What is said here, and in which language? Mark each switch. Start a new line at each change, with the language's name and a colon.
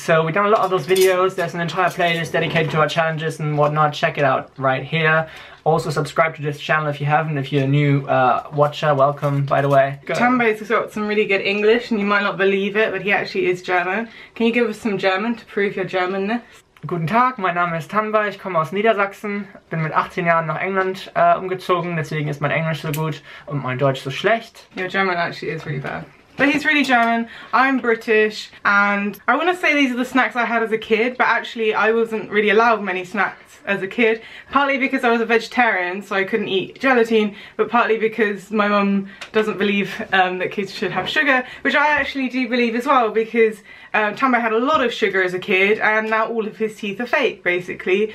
English: So we've done a lot of those videos. There's an entire playlist dedicated to our challenges and whatnot. Check it out right here. Also subscribe to this channel if you haven't. If you're a new watcher, welcome, by the way. Tom basically got some really good English and you might not believe it, but he actually is German. Can you give us some German to prove your Germanness?
German: Guten Tag, mein Name ist Tanbay, ich komme aus Niedersachsen, bin mit 18 Jahren nach England umgezogen, deswegen ist mein Englisch so gut und mein Deutsch so schlecht.
English: Your German actually is really bad. But he's really German, I'm British, and I want to say these are the snacks I had as a kid, but actually I wasn't really allowed many snacks as a kid, partly because I was a vegetarian, so I couldn't eat gelatine, but partly because my mum doesn't believe that kids should have sugar, which I actually do believe as well, because Tambo had a lot of sugar as a kid, and now all of his teeth are fake, basically.